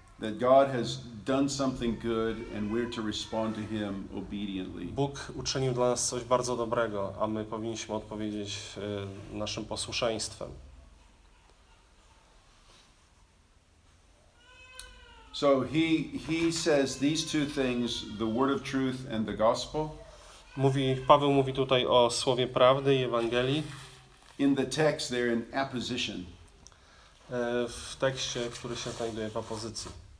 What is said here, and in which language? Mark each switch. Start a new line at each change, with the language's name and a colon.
English: That God has done something good and we're to respond to him obediently.
Polish: Bóg uczynił dla nas coś bardzo dobrego, a my powinniśmy odpowiedzieć naszym posłuszeństwem.
English: So he says these two things, the word of truth and the gospel.
Polish: Paweł mówi tutaj o słowie prawdy i Ewangelii.
English: In the text they're in apposition.
Polish: W tekście, który się znajduje w apozycji.